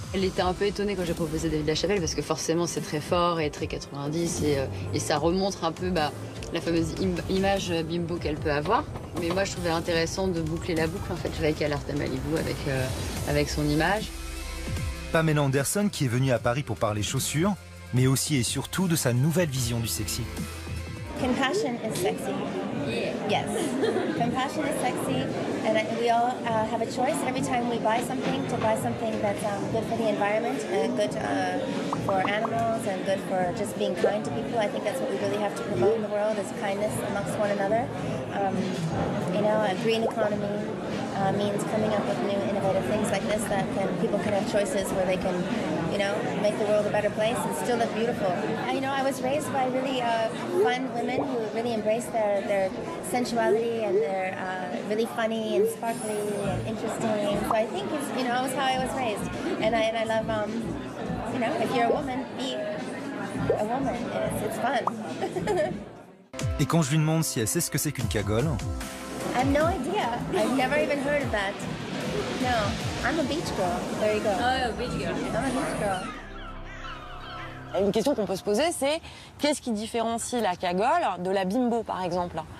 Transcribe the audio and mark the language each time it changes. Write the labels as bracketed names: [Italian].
[French] Elle était un peu étonnée quand j'ai proposé David LaChapelle parce que forcément c'est très fort et très 90 et ça remontre un peu la fameuse image bimbo qu'elle peut avoir. Mais moi je trouvais intéressant de boucler la boucle en fait avec Alerta Malibu, avec son image. Pamela Anderson qui est venue à Paris pour parler chaussures, mais aussi et surtout de sa nouvelle vision du sexy. [English] Compassion is sexy. Yeah. Yes. Compassion is sexy, and we all have a choice every time we buy something to buy something that's good for the environment, and good for animals, and good for just being kind to people. I think that's what we really have to promote in the world is kindness amongst one another. You know, a green economy means coming up with new innovative things like this that people can have choices where they can, you know, make the world a better place and still look beautiful. You know, I was raised by really fun women who really embrace their sensuality and they're really funny and sparkly and interesting. So I think it's, you know, it was how I was raised. And I love, you know, if you're a woman, be a woman. It's fun. [French] Et quand je lui demande si elle sait ce que c'est qu'une cagole, [English] I have no idea. I've never even heard of that. No, I'm a beach girl. There you go. Oh, yeah, beach girl. I'm a beach girl. [French] Une question qu'on peut se poser, c'est qu'est-ce qui différencie la cagole de la bimbo, par exemple?